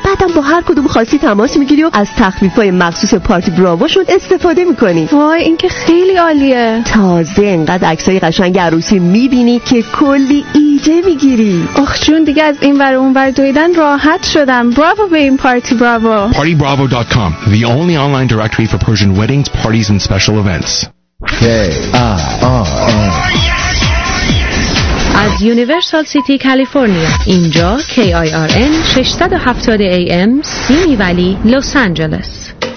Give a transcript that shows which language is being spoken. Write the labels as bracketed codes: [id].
[fa] بعدم با هر کدوم خواستی تماس میگیری و از تخفیفای مخصوص پارتی براووشون استفاده میکنی. وای، این که خیلی عالیه. تازه اینقدر عکسای قشنگ عروسی میبینی که کلی ایده میگیری. آخ جون، دیگه از این ور اون ور دویدن راحت شدم. براوو به این پارتی براوو. [en] partybravo.com, the only online directory for Persian weddings, parties and special events. [fa] K-I-R-N از یونیورسال سیتی کالیفرنیا. اینجا KIRN 670 AM سیمی ولی لس آنجلس.